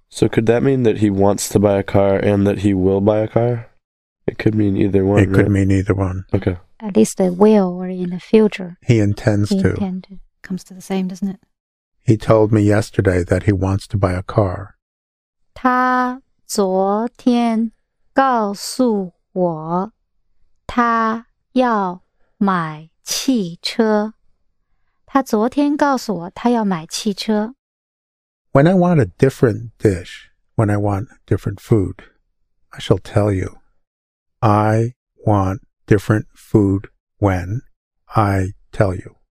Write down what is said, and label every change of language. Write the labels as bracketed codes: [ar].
[en] So could that mean that he wants to buy a car and that he will buy a car? It could mean either one. It right? could mean either one. Okay. At least they will, or in the future. He intends to. Comes to the same, doesn't it? He told me yesterday that he wants to buy a car. [zh] 他昨天告诉我他要买汽车. 他昨天告诉我他要买汽车. [en] When I want a different dish, when I want different food, I shall tell you. I want different food when I tell you.